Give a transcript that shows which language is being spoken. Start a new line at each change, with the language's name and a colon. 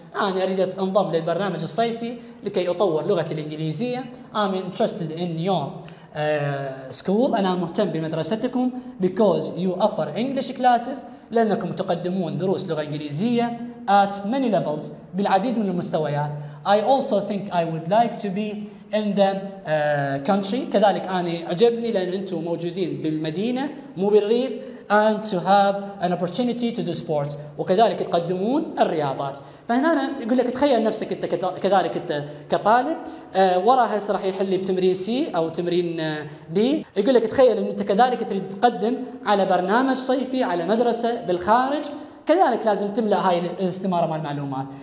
Arabic: أنا أريد أنضم للبرنامج الصيفي لكي أطور لغة الإنجليزية.
English: I'm interested in your school.
Arabic: أنا مهتم بمدرستكم
English: because you offer English classes.
Arabic: لأنكم تقدمون دروس لغة إنجليزية
English: at many levels
Arabic: بالعديد من المستويات.
English: I also think I would like to be in the country.
Arabic: كذلك أنا عجبني لأن أنتم موجودين بالمدينة مو بالريف.
English: And to have an opportunity to do sports.
Arabic: وكذلك تقدمون الرياضات. فهنا أنا يقول لك تخيل نفسك أنت كذلك أنت كطالب، وراها راح يحلي بتمرين سي أو تمرين دي، يقول لك تخيل أن أنت كذلك تريد تقدم على برنامج صيفي على مدرسة بالخارج، كذلك لازم تملأ هاي الاستمارة مع المعلومات.